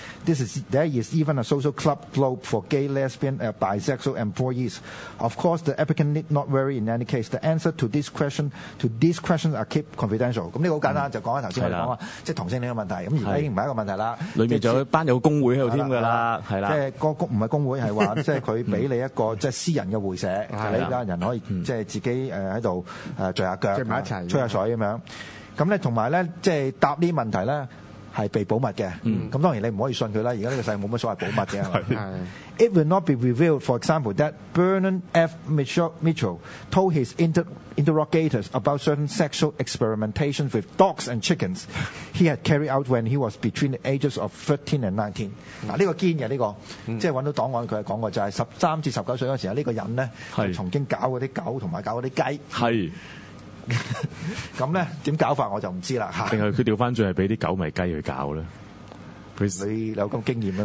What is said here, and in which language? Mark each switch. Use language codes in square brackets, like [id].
[en] There is even a social club globe for gay, lesbian, and bisexual employees. Of course, the applicant need not worry in any case. The answer to this question, to these questions are kept confidential. [yue] 咁呢個好簡單，就講下頭先我講話，即係同性戀嘅問題。咁而家已經唔係一個問題啦。裏面仲有班有工會喺度添㗎啦，係啦。即係個工唔係工會，係話即係佢俾你一個即係私人嘅會社，你家人可以即係自己喺度聚下腳，聚埋一齊，吹下水咁樣。咁咧，同埋咧，即系答呢問題咧，係被保密嘅。咁、嗯、當然你唔可以信佢啦。而家呢個世冇乜所謂保密嘅。 [en] It will not be revealed, for example, that Bernard F. Mitchell told his interrogators about certain sexual experimentation with dogs and chickens he had carried out when he was between the ages of 13 and 19. [yue] 嗱、嗯，呢、啊這個堅嘅呢個，即係揾到檔案，佢係講過就係13至19歲嗰時候，呢個人咧就曾經搞嗰啲狗同埋搞嗰啲雞。係。咁咧，点搞法我就唔知啦吓。定系佢调翻转系俾啲狗咪鸡去搞咧？你有咁经验咩？